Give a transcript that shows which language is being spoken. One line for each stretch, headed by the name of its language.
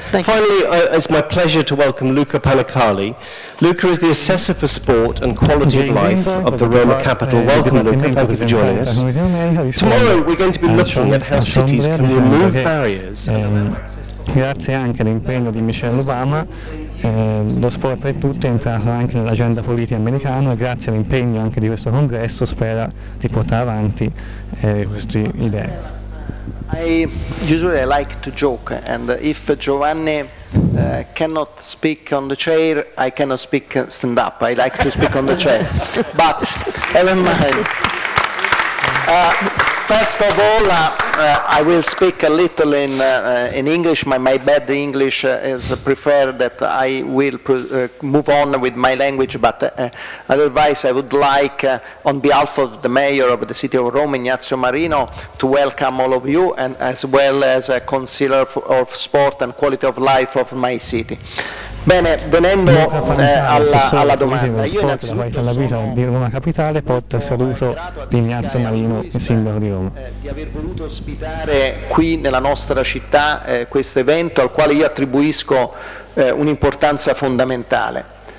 English: Thank Finally, you. It's my pleasure to welcome Luca Panicali. Luca is the Assessor for Sport and Quality of Life of the Roma Capital. Welcome, Luca. Thank you for joining us. Tomorrow, we're going to be looking at how cities can remove barriers and allow access to sport.
Italian: Lo sport per tutti è entrato anche nell'agenda politica americana e grazie all'impegno anche di questo congresso spera di portare avanti queste idee.
English: I usually like to joke, and if Giovanni cannot speak on the chair, I cannot speak stand up. I like to speak on the chair. But, never mind. First of all, I will speak a little in English. My bad English is preferred that I will move on with my language, but otherwise I would like, on behalf of the mayor of the city of Rome, Ignazio Marino, to welcome all of you, and as well as a consigliere of sport and quality of life of my city.
Italian: Bene, venendo alla domanda, io innanzitutto la vita di Roma Capitale porta saluto di Ignazio Marino, sindaco di Roma. Di aver voluto ospitare qui nella nostra città questo evento al quale io attribuisco un'importanza fondamentale.